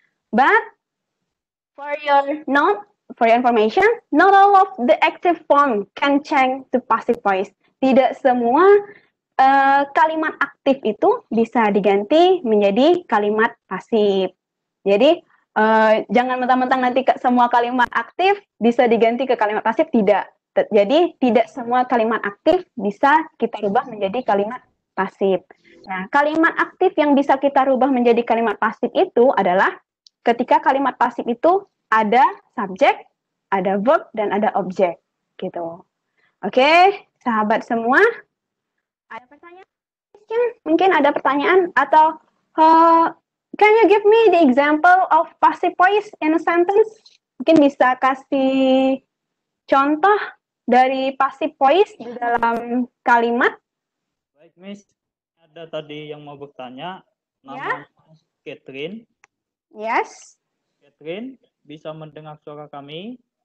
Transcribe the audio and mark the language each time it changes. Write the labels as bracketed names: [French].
[English] But, for your information, not all of the active form can change to passive voice. [Indonesian] Tidak semua kalimat aktif itu bisa diganti menjadi kalimat pasif. Jadi, jangan mentang-mentang nanti semua kalimat aktif bisa diganti ke kalimat pasif, tidak. Jadi, tidak semua kalimat aktif bisa kita rubah menjadi kalimat pasif. Nah, kalimat aktif yang bisa kita rubah menjadi kalimat pasif itu adalah ketika kalimat pasif itu ada subjek, ada verb, dan ada objek. Gitu. Oke, sahabat semua. Ada pertanyaan? Mungkin ada pertanyaan? [English] Atau, can you give me the example of passive voice in a sentence? [Indonesian] Mungkin bisa kasih contoh dari passive voice di dalam kalimat? Baik, Miss, ada tadi yang mau bertanya. Nama Catherine. [English] Yes. [Indonesian] Catherine, bisa mendengar suara kami?